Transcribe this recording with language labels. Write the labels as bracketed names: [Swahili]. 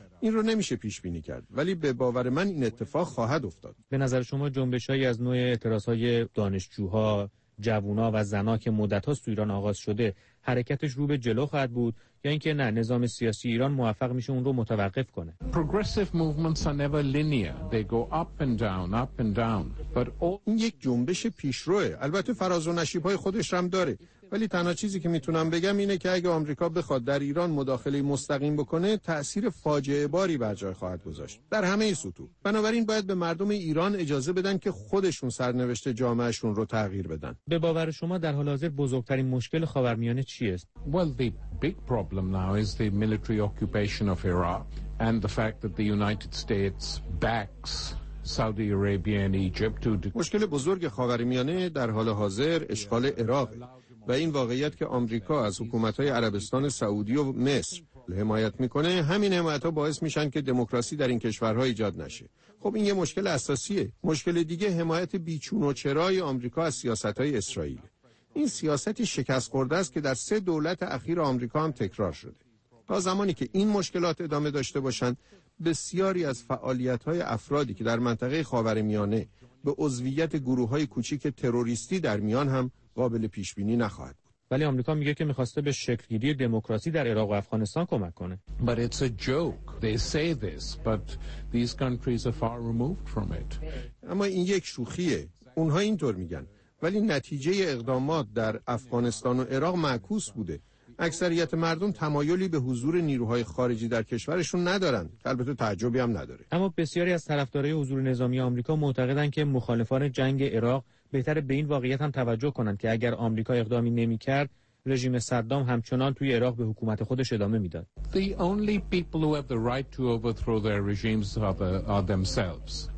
[Persian] این رو نمیشه پیش بینی کرد، ولی به باور من این اتفاق خواهد افتاد. به نظر شما جنبشایی از نوع اعتراضهای دانشجوها، جوونا و زنا که مدت‌ها در ایران آغاز شده، حرکتش رو به جلو خواهد بود یا اینکه نه نظام سیاسی ایران موفق میشه اون رو متوقف کنه؟ [English] Progressive movements are never linear. They go up and down, up and down. But [Persian] این یک جنبش پیشروه. البته فراز و نشیب‌های خودش هم داره. ولی تنها چیزی که میتونم بگم اینه که اگه آمریکا بخواد در ایران مداخله مستقیم بکنه، تأثیر فاجعه‌باری بر جای خواهد گذاشت در همه سطوح. بنابراین باید به مردم ایران اجازه بدن که خودشون سرنوشت جامعهشون رو تغییر بدن. به باور شما در حال حاضر بزرگترین مشکل خاورمیانه چیست؟ [English] Well, the big problem now is the military occupation of Iraq and the fact that the United States backs Saudi Arabia and Egypt to... [Persian] مشکل بزرگ خاورمیانه در حال حاضر اشغال عراق و این واقعیت که آمریکا از حکومت‌های عربستان سعودی و مصر حمایت می‌کنه، همین حمایت‌ها باعث میشن که دموکراسی در این کشورها ایجاد نشه. خب این یه مشکل اساسیه. مشکل دیگه حمایت بیچون و چرای آمریکا از سیاست‌های اسرائیل. این سیاستی شکست خورده است که در سه دولت اخیر آمریکا هم تکرار شده. تا زمانی که این مشکلات ادامه داشته باشند، بسیاری از فعالیت‌های افرادی که در منطقه خاورمیانه به عضویت گروه‌های کوچک تروریستی در میان هم قابل پیش بینی نخواهد بود. ولی آمریکا میگه که میخواسته به شکل گیری دموکراسی در عراق و افغانستان کمک کنه. [English] But it's a joke. They say this, but these countries are far removed from it. [Persian] اما این یک شوخیه. اونها اینطور میگن. ولی نتیجه اقدامات در افغانستان و عراق معکوس بوده. اکثریت مردم تمایلی به حضور نیروهای خارجی در کشورشون ندارن. البته تعجبی هم نداره. اما بسیاری از طرفدارای حضور نظامی آمریکا معتقدن که مخالفان جنگ عراق بهتره به این واقعیت هم توجه کنند که اگر آمریکا اقدامی نمی کرد، رژیم صدام همچنان توی عراق به حکومت خودش ادامه می داد. [English] The only people who have the right to overthrow their regimes are themselves.